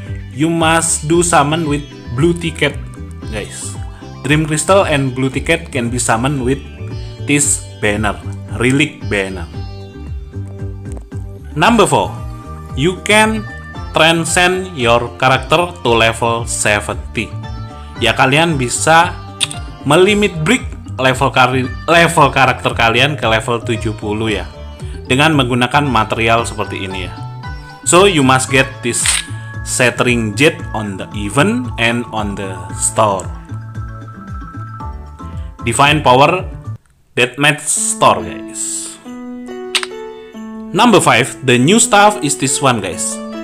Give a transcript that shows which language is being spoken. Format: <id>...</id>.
<en>You must do summon with blue ticket, guys. Dream crystal and blue ticket can be summoned with this banner, relic banner. Number 4, you can transcend your character to level 70.</en> <id>Ya, kalian bisa melimit break level karakter kalian ke level 70 ya, dengan menggunakan material seperti ini ya.</id> <en>So you must get this shattering jade on the event and on the store. Divine Power Deathmatch Store, guys. Number 5, the new stuff is this one, guys.</en>